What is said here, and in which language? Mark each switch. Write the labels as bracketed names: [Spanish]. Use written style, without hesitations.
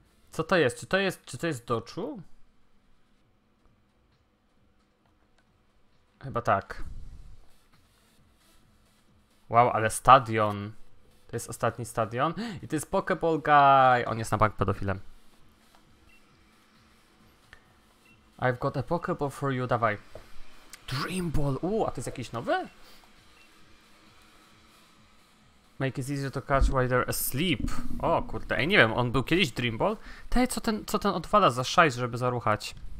[Polish] Co to jest? Czy to jest Doczu? Chyba tak. Wow, ale stadion. To jest ostatni stadion. I to jest Pokeball Guy. On jest na bank pedofilem. [English] I've got a Pokeball for you. [Polish] Dawaj. [English] Dream Ball. [Polish] A to jest jakiś nowy? [English] Make it easier to catch while they're asleep. [Polish] O kurde. Ej, nie wiem. On był kiedyś Dream Ball? Tej, co ten odwala za szajs, żeby zaruchać?